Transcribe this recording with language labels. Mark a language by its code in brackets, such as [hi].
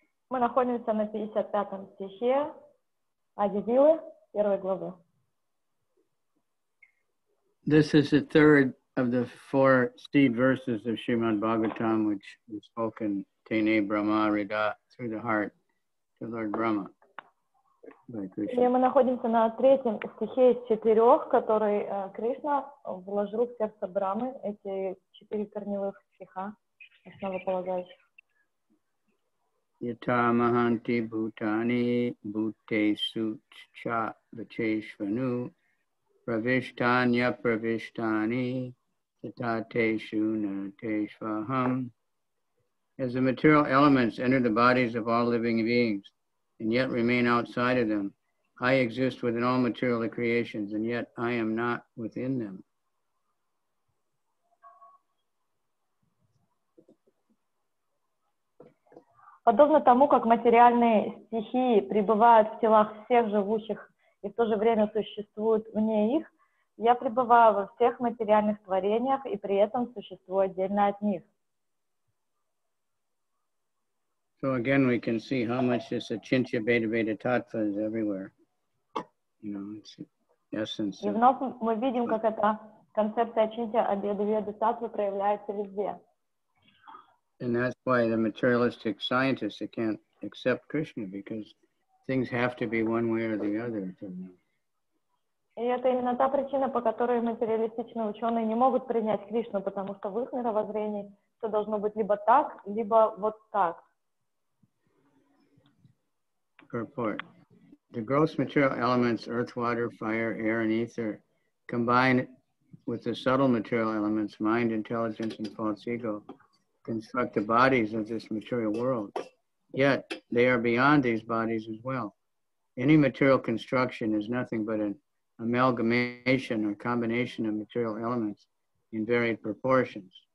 [ru] Мы находимся на 55-м стихе Ади-лилы, первой главы. [en] This is the third of the four seed verses of Srimad Bhagavatam, which is spoken Tene Brahma Rida through the heart to Lord Brahma. [ru] И мы находимся на третьем стихе из четырех, который Кришна вложил в сердце Брамы, эти четыре корневых стиха, основополагающих. [sa] Ята маханти бутани бутесу ча вачешвану правиштанья правиштани тата тешу на тешвахам. [en] As the material elements enter the bodies of all living beings, and yet remain outside of them. I exist within all material creations, and yet I am not within them. [ru] Подобно тому, как материальные стихии пребывают в телах всех живущих и в то же время существуют вне их, я пребываю во всех материальных творениях и при этом существую отдельно от них. [en] So again, we can see how much this achintya bheda bheda tattva is everywhere. You know, it's the essence. [ru] И вновь мы видим, как эта концепция очинтья обеда веда таттва проявляется везде. [en] And that's why the materialistic scientists can't accept Krishna, because things have to be one way or the other. [ru] И это именно та причина, по которой материалистичные ученые не могут принять Кришну, потому что в их мировоззрении что должно быть либо так, либо вот так. [en] Purport. The gross material elements, earth, water, fire, air, and ether, combine with the subtle material elements, mind, intelligence, and false ego, construct the bodies of this material world. Yet, they are beyond these bodies as well. Any material construction is nothing but an amalgamation or combination of material elements in varied proportions.